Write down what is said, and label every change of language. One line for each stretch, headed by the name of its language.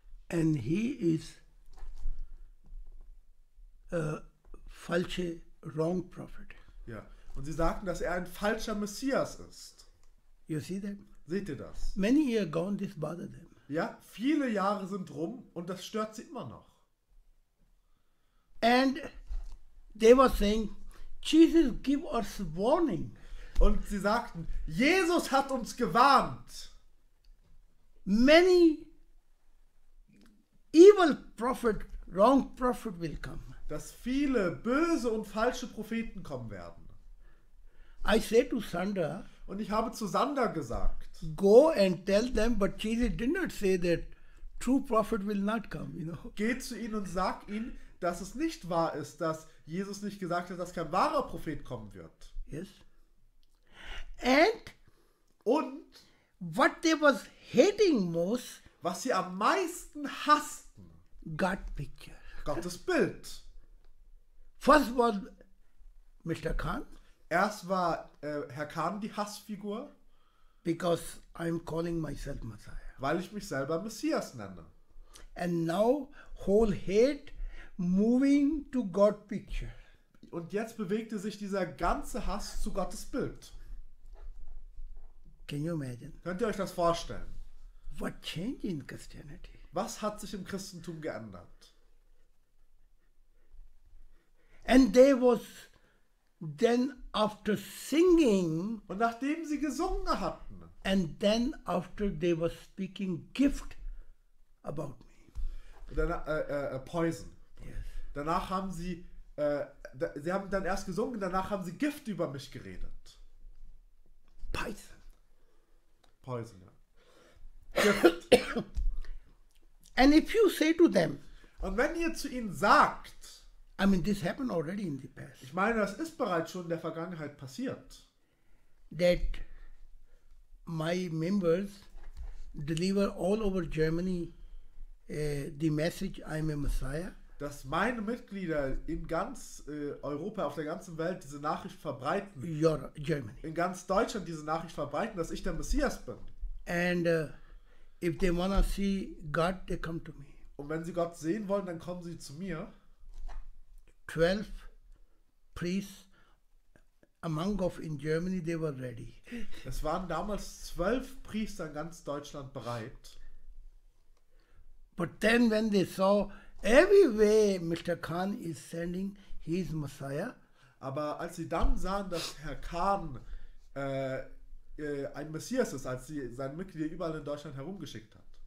English: And he is a falsche, wrong prophet.
German: Ja, und sie sagten, dass er ein falscher Messias ist.
English: You see them?
German: Seht ihr das?
English: Many years gone, this bothered them.
German: Ja, viele Jahre sind rum und das stört sie immer noch.
English: And they were saying, Jesus give us warning.
German: Und sie sagten, Jesus hat uns gewarnt.
English: Many evil prophet, wrong prophet will come.
German: Dass viele böse und falsche Propheten kommen werden.
English: I said to Sandra.
German: Und ich habe zu Sandra gesagt.
English: Go and tell them, but Jesus did not say that true prophet will not come. You know.
German: Geh zu ihnen und sag ihnen, dass es nicht wahr ist, dass Jesus nicht gesagt hat, dass kein wahrer Prophet kommen wird.
English: Yes. And
German: und
English: what they was hating most,
German: was sie am meisten hassten,
English: God picture,
German: Gottes Bild.
English: First was Mr. Khan.
German: Erst war Herr Khan die Hassfigur.
English: Because I'm calling myself Messiah.
German: Weil ich mich selber Messias nenne.
English: And now whole hate moving to God picture.
German: Und jetzt bewegte sich dieser ganze Hass zu Gottes Bild.
English: Can you imagine?
German: Könnt ihr euch das vorstellen?
English: What changed in Christianity?
German: Was hat sich im Christentum geändert?
English: And they was then after singing,
German: und nachdem sie gesungen hatten,
English: and then after they was speaking gift about me, poison. Yes.
German: Danach haben sie sie haben dann erst gesungen, danach haben sie Gift über mich geredet.
English: Poison,
German: ja.
English: And if you say to them,
German: und wenn ihr zu ihnen sagt,
English: I mean, this happened already in the past.
German: Ich meine, das ist bereits schon in der Vergangenheit passiert.
English: That my members deliver all over Germany the message, I'm a Messiah.
German: Dass meine Mitglieder in ganz Europa, auf der ganzen Welt diese Nachricht verbreiten.
English: Germany.
German: In ganz Deutschland diese Nachricht verbreiten, dass ich der Messias bin.
English: And if they wanna see God, they come to me.
German: Und wenn sie Gott sehen wollen, dann kommen sie zu mir.
English: 12 priests, a monk of in Germany, they were ready.
German: Es waren damals 12 Priester in ganz Deutschland bereit.
English: But then when they saw everywhere Mr. Khan is sending his Messiah.
German: Aber als sie dann sahen, dass Herr Khan ein Messias ist, als sie seine Mitglieder überall in Deutschland herumgeschickt hat.